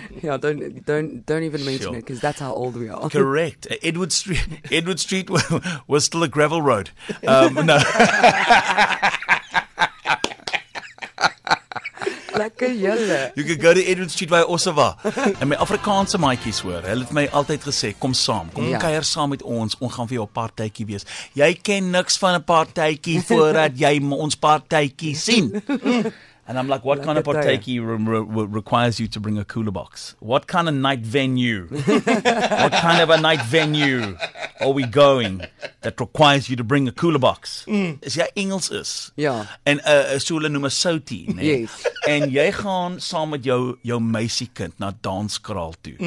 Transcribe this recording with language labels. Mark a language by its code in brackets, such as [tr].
[en] Yeah, don't even mention it, because that's how old we are. Correct. Edward Street was still a gravel road. No. You could go to Edward Street by Osava. And my [af] Afrikaanse maatjies hoor, hulle het my altyd gesê, kom saam, kom kuier saam met ons, ons gaan vir jou 'n partytjie wees. Jy ken niks van 'n partytjie voordat jy ons partytjie sien. [en] And I'm like, what kind of partytjie requires you to bring a cooler box? What kind of night venue? What kind of a night venue are we going that requires you to bring a cooler box? Mm. [af] Is jy Engels is? Ja. En so hulle noem 'n soutie, né? [en] Yes. [af] En jy gaan saam met jou meisie kind na danskraal toe.